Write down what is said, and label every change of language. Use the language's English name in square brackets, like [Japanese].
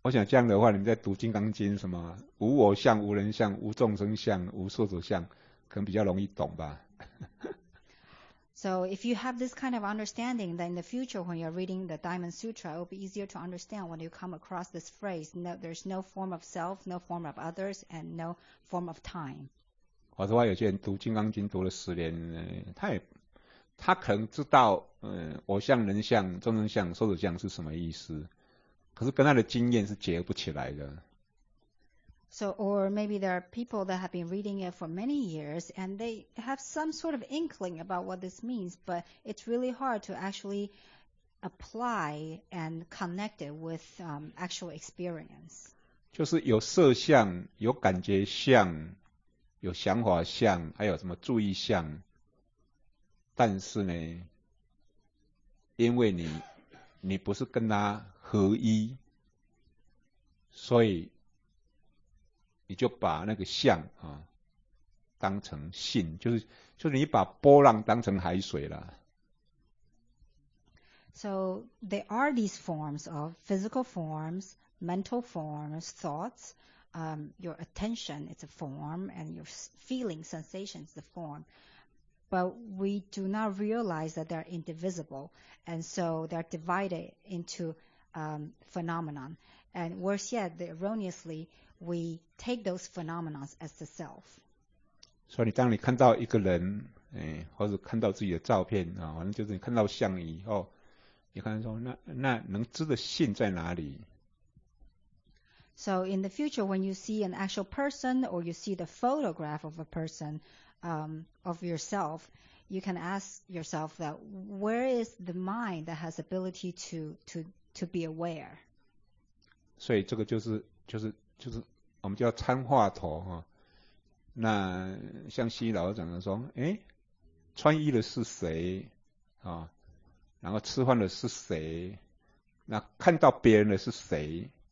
[Chinese] 我想这样的话，你们在读《金刚经》什么无我相、无人相、无众生相、无寿者相，可能比较容易懂吧。 [English] So if you have this kind of understanding, then in the future when you're reading the Diamond Sutra, it will be easier to understand when you come across this phrase: "No, there's no form of self, no form of others, and no form of time." [Chinese] 我的话，有些人读《金刚经》读了十年，他可能知道，我相、人相、众生相、寿者相是什么意思。可是跟他的经验是结不起来的。 [English] So, or maybe there are people that have been reading it for many years and they have some sort of inkling about what this means, but it's really hard to actually apply and connect it with actual experience. [Chinese] 就是有色相、有感觉相、有想法相、还有什么注意相，但是呢，因为你不是跟他合一，所以你就把那个相、啊、当成性，就是你把波浪当成海水了。 [English] So there are these forms of physical forms, mental forms, thoughts, your attention is a form, and your feeling sensation is the form. But we do not realize that they're indivisible, and so they're divided into phenomenon. And worse yet, erroneously, we take those phenomena as the self. So, [Chinese] 你当你看到一个人，或者看到自己的照片，反正就是你看到像以后，也看说 那能知的信在哪里。 [English] So in the future, when you see an actual person or you see the photograph of a person, of yourself, you can ask yourself that where is the mind that has ability to be aware? [Chinese] 所以这个就是我们叫参话头哈。那像西老讲的说，哎，穿衣的是谁啊？然后吃饭的是谁？那看到别人的是谁？